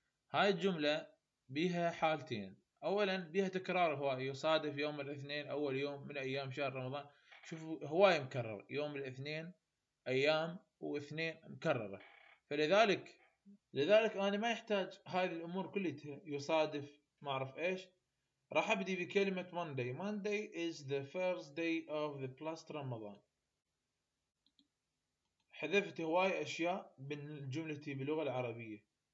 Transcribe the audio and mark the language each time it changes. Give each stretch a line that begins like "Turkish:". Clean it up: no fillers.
Arabic: هاي الجملة بها حالتين، أولاً بها تكرار، هو يصادف يوم الاثنين أول يوم من أيام شهر رمضان، شوفوا هو مكرر يوم الاثنين أيام واثنين مكررة، فلذلك أنا ما يحتاج هذه الأمور كلها يصادف ما أعرف إيش. راح أبدي بكلمة Monday.
English: Monday is the first day of the plus رمضان.
Arabic: حذفت هواي أشياء من جملتي باللغة العربية.